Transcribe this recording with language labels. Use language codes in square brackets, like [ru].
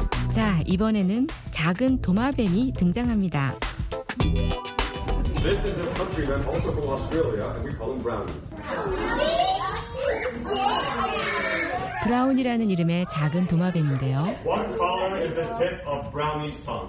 [ko] 자, 이번에는 작은 도마뱀이 등장합니다. [en] This is a country bear, also from Australia, and we call him Brownie. [ko] 브라운이라는 이름의 작은 도마뱀인데요. [en] What color is the tip of Brownie's tongue?